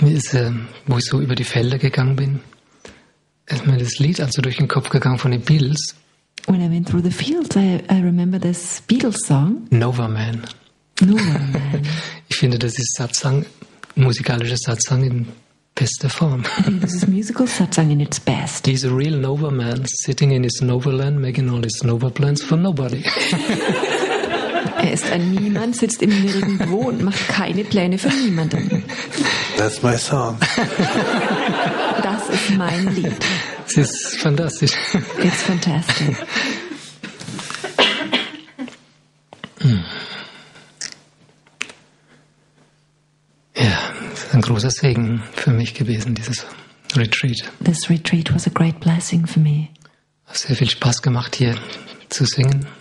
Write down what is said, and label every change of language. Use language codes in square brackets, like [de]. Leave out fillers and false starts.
[de] Mir ist, wo ich so über die Felder gegangen bin, ist mir das Lied also durch den Kopf gegangen von den Beatles. [en] When I went through the fields, I remember this Beatles song. Nova Man. Nova Man. [de] Ich finde, das ist Satsang, musikalischer Satsang in bester Form. [en] This is musical Satsang in its best. He's a real Nova Man, sitting in his Nova Land, making all his Nova plans for nobody. [de] Er ist ein Niemand, sitzt im Nirgendwo und macht keine Pläne für niemanden. [en] That's my song. [de] Das ist mein Lied. Es ist fantastisch. [en] It's fantastic. [de] Ja, es ist ein großer Segen für mich gewesen, dieses Retreat. [en] This retreat was a great blessing for me. [de] Hat sehr viel Spaß gemacht, hier zu singen.